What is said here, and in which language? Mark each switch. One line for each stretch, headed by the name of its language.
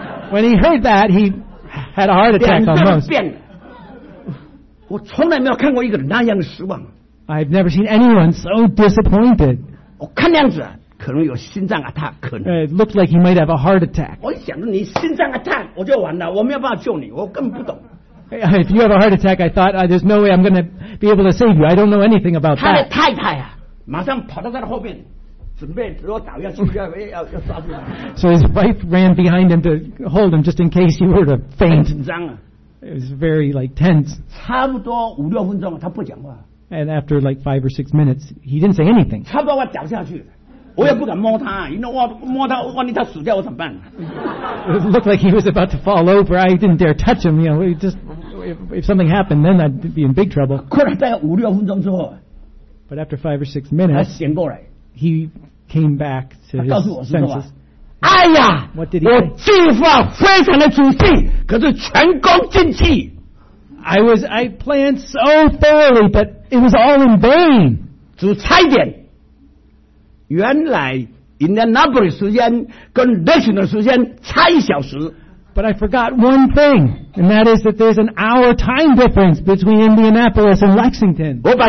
English: when he heard that, he had a heart attack almost.
Chinese: 我从来没有看过一个人那样失望,
English: I've never seen anyone so disappointed.
Chinese: 我看样子啊, 可能有心脏 attack,
English: it looked like he might have a heart attack.
Chinese: 我一想你心脏 attack, 我就完了, 我没有办法救你, 我根本不懂。
English: If you have a heart attack, I thought, there's no way I'm going to be able to save you. I don't know anything about that.
Chinese: 他的太太啊, 马上跑到他的后面, 准备如果倒下去要抓住他。
English: So his wife ran behind him to hold him just in case he were to faint.
Chinese: 很紧张啊,
English: it was very like tense.
Chinese: 差不多5-6分钟, 他不讲话。
English: And after like 5 or 6 minutes, he didn't say anything.
Chinese: 差不多我倒下去。我也不敢摸他,
English: you know,
Chinese: 摸他, 万一他死掉,
English: it looked like he was about to fall over. I didn't dare touch him. You know, just, if something happened, then I'd be in big trouble.
Chinese: 过了大概5-6分钟之后,
English: but after 5 or 6 minutes,
Chinese: 他醒过来,
English: he came back to his senses.
Chinese: 哎呀,
English: what did he say?
Chinese: 我计划非常的仔细, 可是全功尽弃,
English: I planned so thoroughly, but it was all in vain.
Chinese: 只差一点, 原来 Indianapolis时间跟National时间差一小时,
English: but I forgot one thing, and that is that there's an hour time difference between Indianapolis and Lexington.